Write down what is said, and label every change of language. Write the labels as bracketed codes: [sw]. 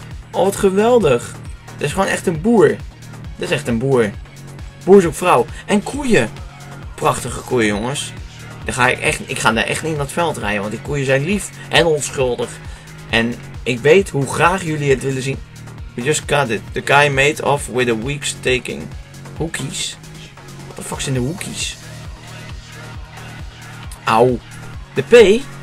[nl] Oh, wat geweldig. Dit is gewoon echt een boer. Dit is echt een boer. Boer zoekt vrouw. En koeien. Prachtige koeien, jongens. Ik ga daar echt niet in dat veld rijden. Want die koeien zijn lief en onschuldig. En ik weet hoe graag jullie het willen zien. [en] We just got it. The guy made off with a week's taking. [nl] Hoekies? [en] What the fuck [nl] zijn de hoekies? Au. De P?